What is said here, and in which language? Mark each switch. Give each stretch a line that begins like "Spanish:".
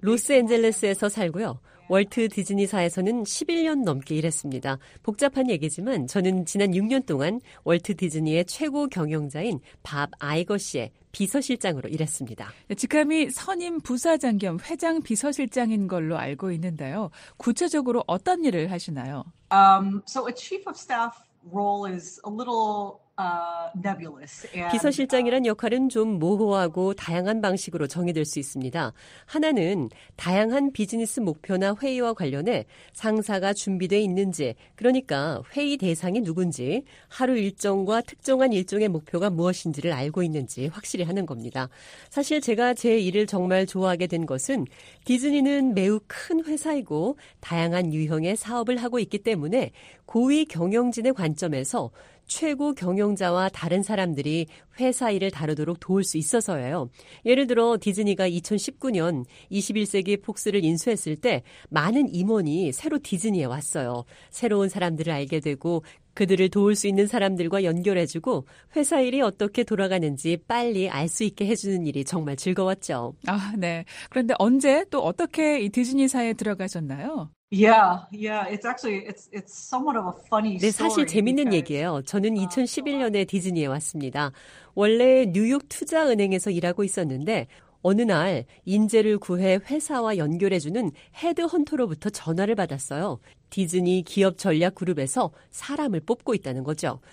Korean: 로스앤젤레스에서 살고요. 월트 디즈니사에서는 11년 넘게 일했습니다. 복잡한 얘기지만 저는 지난 6년 동안 월트 디즈니의 최고 경영자인 밥 아이거 씨의 비서실장으로 일했습니다. 직함이 선임 부사장 겸 회장 비서실장인 걸로 알고 있는데요. 구체적으로 어떤 일을 하시나요?
English: So a chief of staff role is a little nebulous.
Korean: 비서실장이란 역할은 좀 모호하고 다양한 방식으로 정의될 수 있습니다. 하나는 다양한 비즈니스 목표나 회의와 관련해 상사가 준비되어 있는지, 그러니까 회의 대상이 누군지, 하루 일정과 특정한 일정의 목표가 무엇인지를 알고 있는지 확실히 하는 겁니다. 사실 제가 제 일을 정말 좋아하게 된 것은 디즈니는 매우 큰 회사이고 다양한 유형의 사업을 하고 있기 때문에 고위 경영진의 관점에서 최고 경영자와 다른 사람들이 회사 일을 다루도록 도울 수 있어서예요. 예를 들어 디즈니가 2019년 21세기 폭스를 인수했을 때 많은 임원이 새로 디즈니에 왔어요. 새로운 사람들을 알게 되고 그들을 도울 수 있는 사람들과 연결해주고 회사 일이 어떻게 돌아가는지 빨리 알 수 있게 해주는 일이 정말 즐거웠죠. 아, 네. 그런데 언제 또 어떻게 이 디즈니사에 들어가셨나요?
English: Yeah, it's somewhat of a funny story.
Korean: 네, 사실 재밌는 얘기예요. 저는 2011년에 디즈니에 왔습니다. 원래 뉴욕 투자은행에서 일하고 있었는데 어느 날 인재를 구해 회사와 연결해주는 헤드헌터로부터 전화를 받았어요. 디즈니 기업 전략 그룹에서 사람을 뽑고 있다는 거죠.